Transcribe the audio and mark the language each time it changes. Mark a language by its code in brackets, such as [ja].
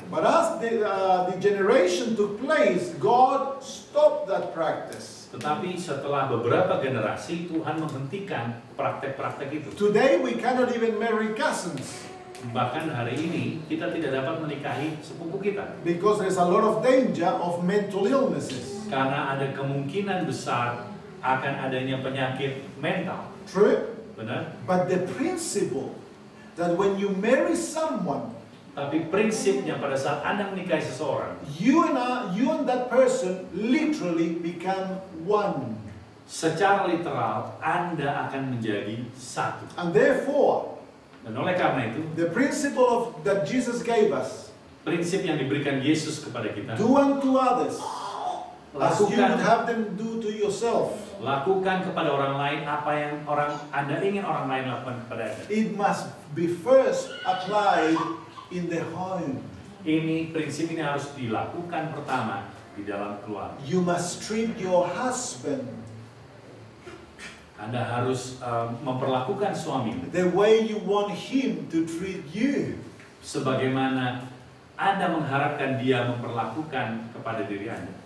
[en] But as the generation took place, God stopped that practice. [id] Tetapi setelah beberapa generasi, Tuhan menghentikan praktek-praktek itu. [en] Today we cannot even marry cousins. [id] Bahkan hari ini kita tidak dapat menikahi sepupu kita. [en] Because there's a lot of danger of mental illnesses. [id] Karena ada kemungkinan besar akan adanya penyakit mental. [en] True. [id] Benar. [en] But the principle that when you marry someone, [id] tapi prinsipnya pada saat Anda menikahi seseorang, [en] you and that person literally become one. [id] Secara literal Anda akan menjadi satu. [en] And therefore, [id] dan oleh karena itu, [en] the principle of that Jesus gave us, [id] prinsip yang diberikan Yesus kepada kita, [en] do unto others as you would have them do to yourself. [id] Lakukan kepada orang lain apa yang orang Anda ingin orang lain lakukan kepada Anda. [en] It must be first applied in the home. [id] Ini prinsip ini harus dilakukan pertama di dalam keluarga. [en] You must treat your husband. [id] Anda harus memperlakukan suami [en] the way you want him to treat you. [id] Sebagaimana Anda mengharapkan dia memperlakukan kepada diri Anda.